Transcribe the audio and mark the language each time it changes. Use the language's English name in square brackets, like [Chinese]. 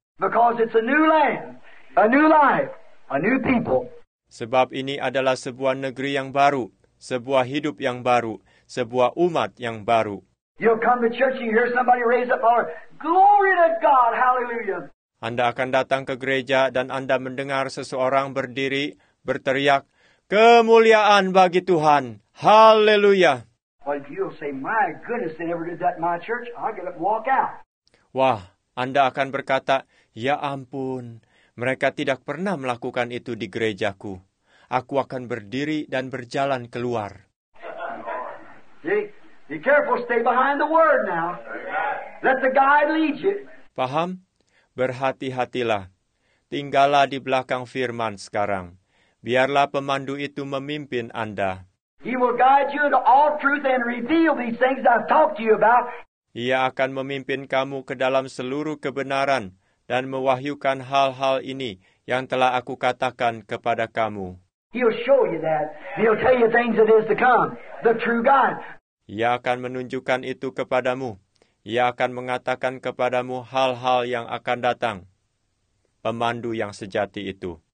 [English] Because it's a new land, a new life, a new people. [Indonesian] Sebab ini adalah sebuah negeri yang baru. Sebuah hidup yang baru, sebuah umat yang baru. [English] You'll come to church and hear somebody raise up our glory to God, hallelujah. [Indonesian] Anda akan datang ke gereja dan Anda mendengar seseorang berdiri berteriak kemuliaan bagi Tuhan, hallelujah. [English] Well, you'll say, my goodness, they never did that in my church. I'll get up and walk out. [Indonesian] Wah, Anda akan berkata, ya ampun, mereka tidak pernah melakukan itu di gerejaku. Aku akan berdiri dan berjalan keluar. [English] Be careful, stay behind the word now. Let the guide lead you. [Indonesian] Paham? Berhati-hatilah. Tinggallah di belakang firman sekarang. Biarlah pemandu itu memimpin Anda. [English] He will guide you to all truth and reveal these things I've talked to you about. [Indonesian] Ia akan memimpin kamu ke dalam seluruh kebenaran dan mewahyukan hal-hal ini yang telah aku katakan kepada kamu. [English] He'll show you that. He'll tell you things that is to come. The true God. [Indonesian] Ia akan menunjukkan itu kepadamu. Ia akan mengatakan kepadamu hal-hal yang akan datang. Pemandu yang sejati itu.